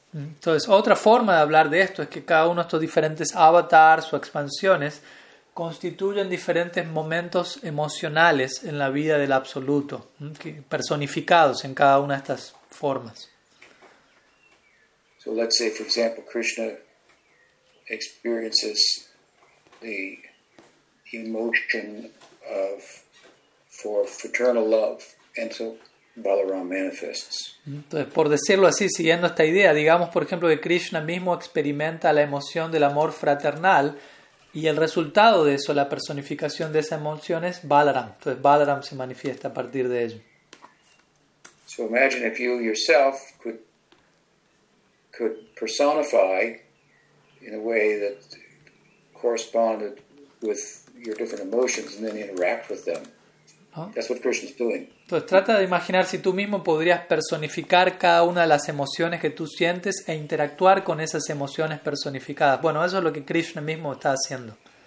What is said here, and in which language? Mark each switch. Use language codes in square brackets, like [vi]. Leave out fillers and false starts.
[es] Entonces, otra forma de hablar de esto es que cada uno de estos diferentes avatars o expansiones constituyen diferentes momentos emocionales en la vida del Absoluto, personificados en cada una de estas formas. [en] So let's say, for example, Krishna experiences the emotion of for fraternal love, and so Balaram manifests. [es] Entonces, por decirlo así, siguiendo esta idea, digamos, por ejemplo, que Krishna mismo experimenta la emoción del amor fraternal, y el resultado de eso, la personificación de esa emoción, es Balaram. Entonces Balaram se manifiesta a partir de ello. [en] So imagine if you yourself could personify in a way that corresponded with your different emotions and then interact with them. [es] ¿No? [en] That's what Krishna's doing. [es] Entonces trata de imaginar si tú mismo podrías personificar cada una de las emociones que tú sientes e interactuar con esas emociones personificadas. Bueno, eso es lo que Krishna mismo está haciendo.